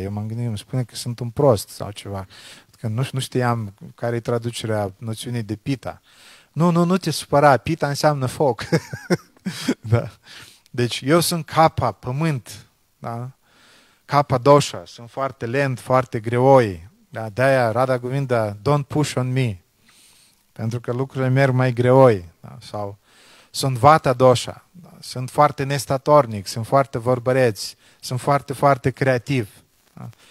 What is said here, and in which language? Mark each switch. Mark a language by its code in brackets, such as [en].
[ro] Eu m-am gândit, îmi spune că sunt un prost sau ceva. Că nu știam care e traducerea noțiunii de pita. Nu te supăra, pita înseamnă foc. Da. Deci eu sunt kapha, pământ. Da? Kapha dosha, sunt foarte lent, foarte greoi. Da? De-aia [en] Radha Govinda, don't push on me. [ro] Pentru că lucrurile merg mai greoi. Da? Sau sunt vata dosha. Sunt foarte nestatornic, sunt foarte vorbăreți, sunt foarte, foarte creativ. Da?